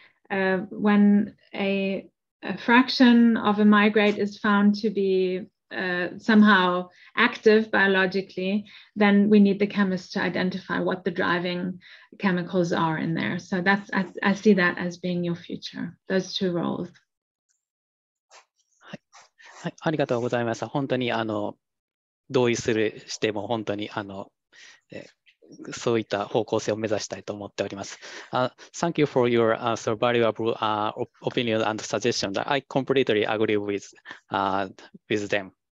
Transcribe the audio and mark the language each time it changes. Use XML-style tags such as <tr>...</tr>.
<en>When a fraction of a migrate is found to be somehow active biologically, then we need the chemists to identify what the driving chemicals are in there. So that's I see that as being your future, those two roles.</en> <ja>はい、ありがとうございます。本当にあの同意するしても本当にあのそういった方向性を目指したいと思っております。</ja> <en>Thank you for your so valuable opinion and suggestion. I completely agree with them.</en>